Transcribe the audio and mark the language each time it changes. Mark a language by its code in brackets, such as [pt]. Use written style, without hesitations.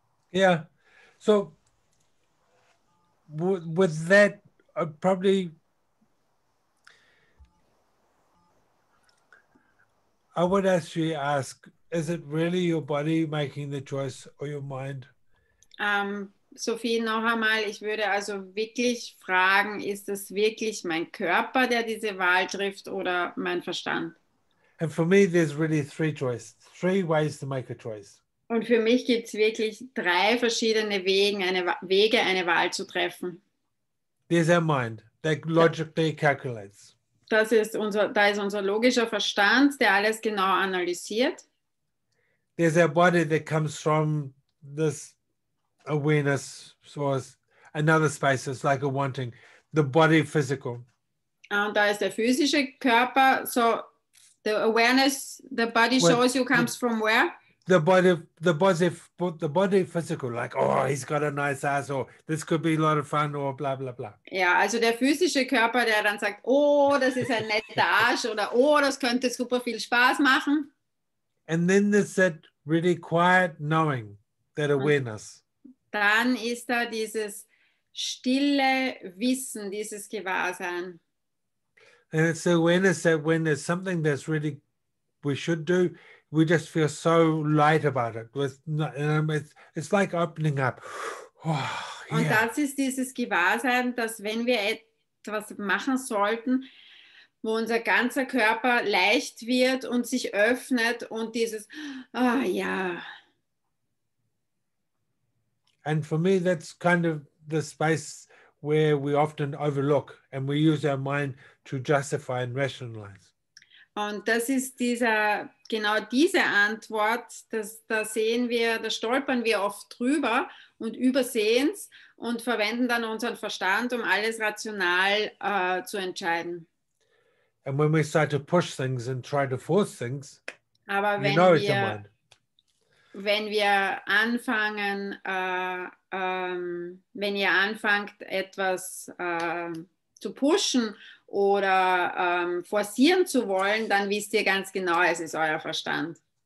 [en] Yeah, so with that, I would actually ask, is it really your body making the choice or your mind? [de] Sophie, noch einmal, ich würde also wirklich fragen, ist es wirklich mein Körper, der diese Wahl trifft oder mein Verstand? [en] And for me, there's really three ways to make a choice. [de] Und für mich gibt es wirklich drei verschiedene Wege, eine Wahl zu treffen. [en] There's our mind, that logically calculates. [de] Da ist unser logischer Verstand, der alles genau analysiert. [en] There's our body that comes from this awareness, so as another space, it's like a wanting, the body physical. [de] Und da ist der physische Körper, so the awareness, the body shows you comes from where? [en] The body physical, like, oh, he's got a nice ass, or this could be a lot of fun, or blah, blah, blah. [de] Ja, also der physische Körper, der dann sagt, oh, das ist ein netter Arsch, oder oh, das könnte super viel Spaß machen. [en] And then there's that really quiet knowing, that awareness. [de] Dann ist da dieses stille Wissen, dieses Gewahrsein. [en] And it's the awareness that when there's something that's really, we should do, we just feel so light about it. It's like opening up. Oh, [de] yeah. Und das ist dieses Gewahrsein, dass wenn wir etwas machen sollten, wo unser ganzer Körper leicht wird und sich öffnet und dieses, ah, ja. [en] And for me, that's kind of the space where we often overlook and we use our mind to justify and rationalize. [de] Und das ist dieser, genau diese Antwort, dass, da sehen wir, da stolpern wir oft drüber und übersehen es und verwenden dann unseren Verstand, um alles rational zu entscheiden. [en] And when we start to push things and try to force things, aber wenn you know wir, it's your mind. [de] Wenn wir anfangen, wenn ihr anfangt, etwas zu pushen oder forcieren zu wollen, dann wisst ihr ganz genau, es ist euer Verstand.